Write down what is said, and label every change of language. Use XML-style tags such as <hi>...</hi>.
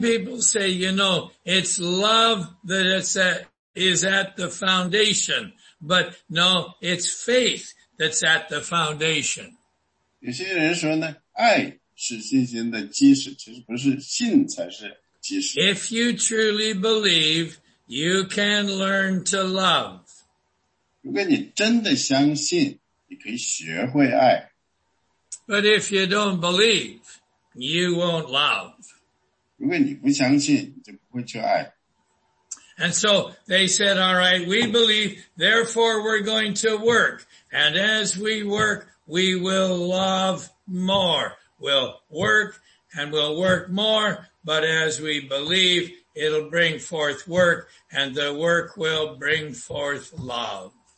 <en>people say, you know, it's love that is at the foundation. But no, it's faith that's at the foundation.</en> <zh>有些人说呢，爱是信心的基石，其实不是，信才是基石。</zh> <en>If you truly believe, you can learn to love.</en> <zh>如果你真的相信，你可以学会爱。</zh> <en>But if you don't believe, you won't love.</en> <zh>如果你不相信，你就不会去爱。</zh> <en>And so they said, all right, we believe, therefore we're going to work. And as we work, we will love more. We'll work and we'll work more. But as we believe, it'll bring forth work and the work will bring forth love.</en>